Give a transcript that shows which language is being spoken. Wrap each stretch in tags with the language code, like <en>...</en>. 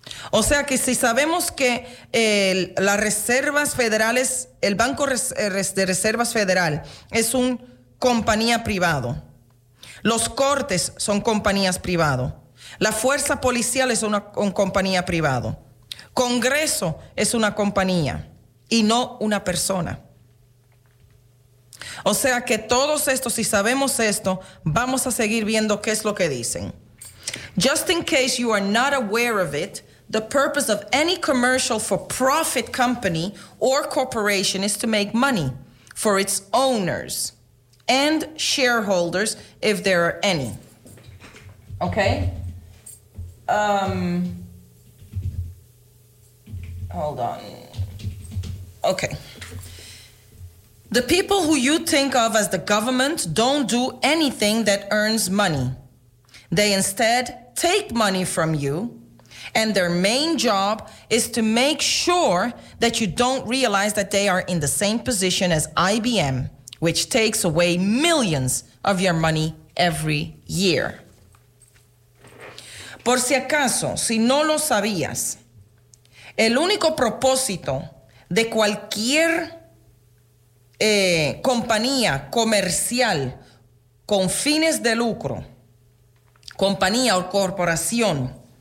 <es>O sea que si sabemos que las Reservas Federales, el Banco de Reservas Federal es una compañía privada, los cortes son compañías privadas, la fuerza policial es una compañía privada, Congreso es una compañía y no una persona. O sea que todos estos, si sabemos esto, vamos a seguir viendo qué es lo que dicen.</es> <en>Just in case you are not aware of it, the purpose of any commercial for-profit company or corporation is to make money for its owners and shareholders, if there are any. Okay? Hold on. Okay. The people who you think of as the government don't do anything that earns money. They instead take money from you, and their main job is to make sure that you don't realize that they are in the same position as IBM, which takes away millions of your money every year.</en> <es>Por si acaso, si no lo sabías, el único propósito de cualquier compañía comercial con fines de lucro, compañía o corporación,</es>